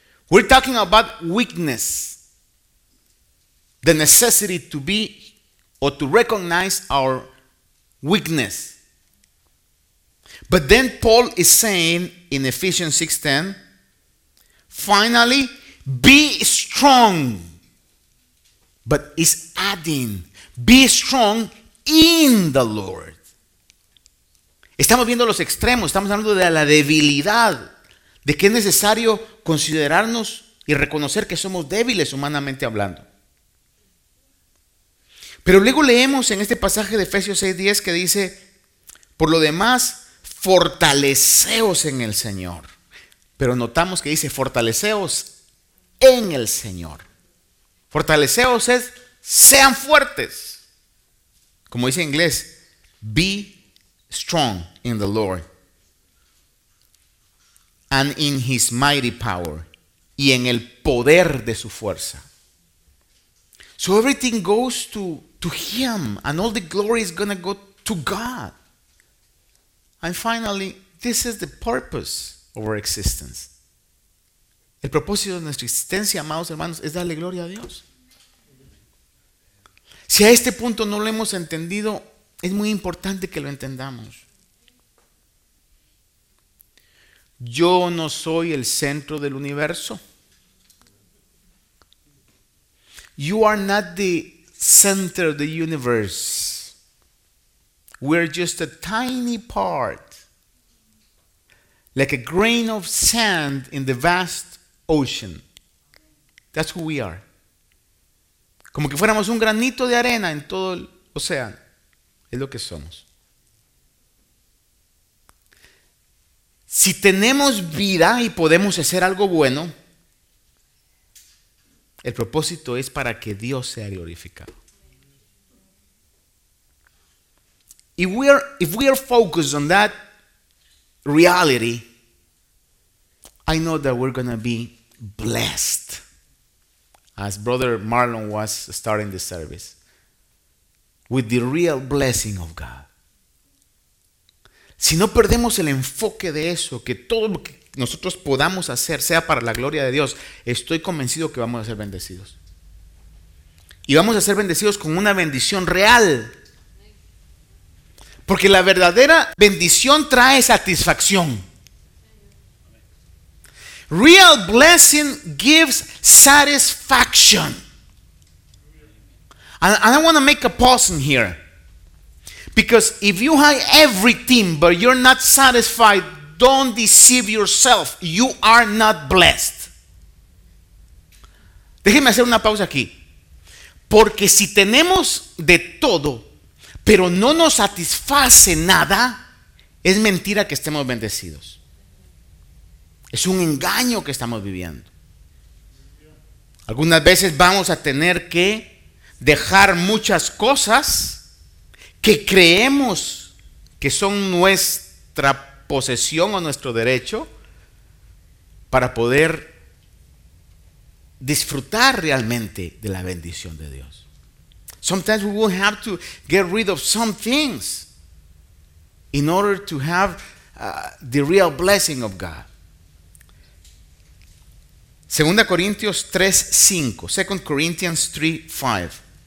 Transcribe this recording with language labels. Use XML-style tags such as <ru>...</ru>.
<en>We're talking about weakness, the necessity to be or to recognize our weakness. But then Paul is saying in Ephesians 6:10, finally, be strong. But he's adding, be strong in the Lord.</en> <es>Estamos viendo los extremos, estamos hablando de la debilidad, de que es necesario considerarnos y reconocer que somos débiles humanamente hablando. Pero luego leemos en este pasaje de Efesios 6:10 que dice, por lo demás, fortaleceos en el Señor. Pero notamos que dice, fortaleceos en el Señor. Fortaleceos es, sean fuertes. Como dice en inglés,</es> <en>be strong in the Lord and in his mighty power,</en> <es>y en el poder de su fuerza.</es> <en>So everything goes to him, and all the glory is going to go to God. And finally, this is the purpose of our existence.</en> <es>El propósito de nuestra existencia, amados hermanos, es darle gloria a Dios. Si a este punto no lo hemos entendido, es muy importante que lo entendamos. Yo no soy el centro del universo.</es> <en>You are not the center of the universe. We're just a tiny part. Like a grain of sand in the vast ocean. That's who we are.</en> <es>Como que fuéramos un granito de arena en todo el océano. Es lo que somos. Si tenemos vida y podemos hacer algo bueno, el propósito es para que Dios sea glorificado.</es> <en>If we are focused on that reality, I know that we're going to be blessed. As Brother Marlon was starting the service, with the real blessing of God.</en> <es>Si no perdemos el enfoque de eso, que todo lo que nosotros podamos hacer sea para la gloria de Dios, estoy convencido que vamos a ser bendecidos. Y vamos a ser bendecidos con una bendición real. Porque la verdadera bendición trae satisfacción.</es> <en>Real blessing gives satisfaction. And I want to make a pause in here. Because if you have everything but you're not satisfied, don't deceive yourself. You are not blessed.</en> <es>Déjeme hacer una pausa aquí. Porque si tenemos de todo, pero no nos satisface nada, es mentira que estemos bendecidos. Es un engaño que estamos viviendo. Algunas veces vamos a tener que dejar muchas cosas que creemos que son nuestra posesión o nuestro derecho para poder disfrutar realmente de la bendición de Dios.</es> <en>Sometimes we will have to get rid of some things in order to have the real blessing of God.</en> <es>2 Corintios 3:5. 2 Corinthians 3:5.</es>